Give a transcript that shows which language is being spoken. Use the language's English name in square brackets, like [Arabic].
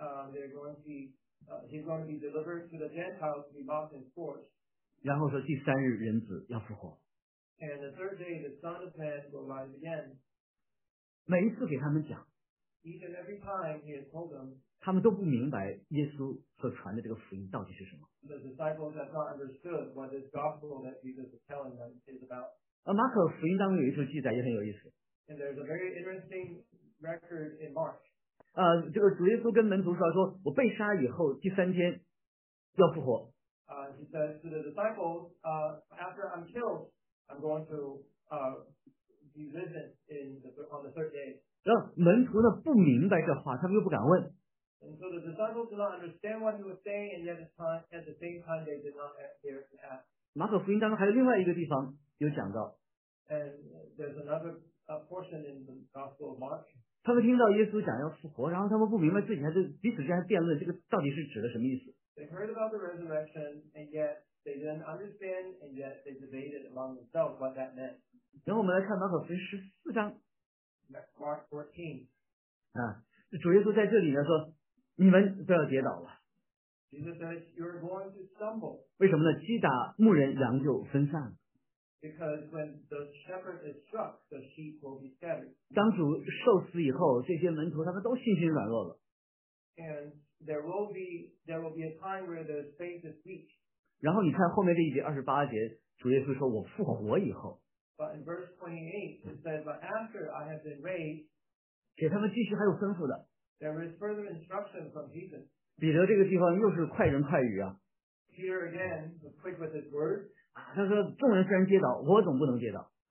[English] He's going to be delivered to the Gentiles to be mocked and scourged. [Chinese] 然后说第三日人子要复活。 [English] And the third day the Son of Man will rise again. [Chinese] 每一次给他们讲， [English] Each and every time he has told them, [Chinese] 他们都不明白耶稣所传的这个福音到底是什么。 [English] The disciples have not understood what this gospel that Jesus is telling them is about. [Chinese] 马可福音当中有一处记载也很有意思。 [English] And there's a very interesting record in Mark. [Chinese] 这个主耶稣跟门徒说我被杀以后第三天要复活。 [English] He says to the disciples, after I'm killed, I'm going to be risen on the third day. [Chinese] 门徒呢不明白这话，他们又不敢问。 [English] And so the disciples did not understand what he was saying, and yet at the same time they did not dare to ask. [Chinese] 马可福音当中还有另外一个地方有讲到。 [English] And there's another portion in the Gospel of Mark. [Chinese] 他们听到耶稣讲要复活，然后他们不明白自己还是彼此之间辩论，这个到底是指的什么意思？ [English] They heard about the resurrection, and yet they didn't understand, and yet they debated among themselves what that meant. [Chinese] 然后我们来看马可福音十四章。 [English] Mark 14. [Chinese] 主耶稣在这里呢说，你们都要跌倒了。 [English] Jesus says you're going to stumble. [Chinese] 为什么呢？击打牧人，羊就分散了。 [English] Because when the shepherd is struck, the sheep will be scattered. [Chinese] 当主受死以后，这些门徒他们都信心软弱了。 [English] And there will be a time where the faith is weak. [Chinese] 然后你看后面这一节二十八节，主耶稣说：“我复活以后。” [English] But in verse 28, it says, "But after I have been raised." [Chinese] 给他们继续还有吩咐的。 [English] There is further instruction from Jesus. [Chinese] 彼得这个地方又是快人快语啊。 [English] Here again, the quick with his words. [Chinese] 他说众人虽然跌倒我总不能跌倒。